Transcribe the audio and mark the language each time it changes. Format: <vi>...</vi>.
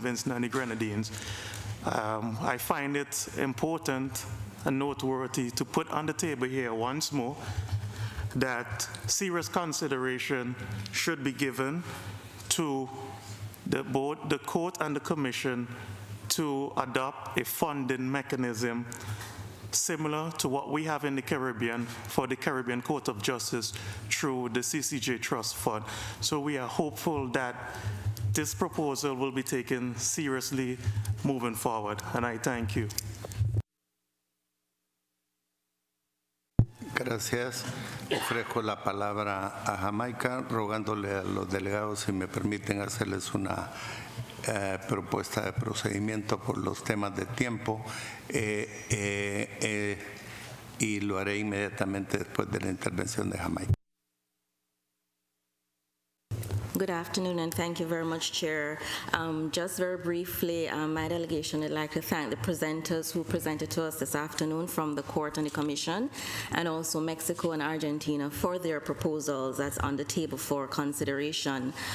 <en>Vincent and the Grenadines, I find it important and noteworthy to put on the table here once more that serious consideration should be given to the board, the court, and the commission to adopt a funding mechanism similar to what we have in the Caribbean for the Caribbean Court of Justice through the CCJ Trust Fund. So we are hopeful that this proposal will be taken seriously moving forward, and I thank you.</en> <es>Gracias. Ofrezco la palabra a Jamaica, rogándole a los delegados si me permiten hacerles una propuesta de procedimiento por los temas de tiempo, y lo haré inmediatamente después de la intervención de Jamaica.</es> <en>Good afternoon, and thank you very much, Chair. Just very briefly, my delegation would like to thank the presenters who presented to us this afternoon from the court and the commission, and also Mexico and Argentina for their proposals that's on the table for consideration.</en>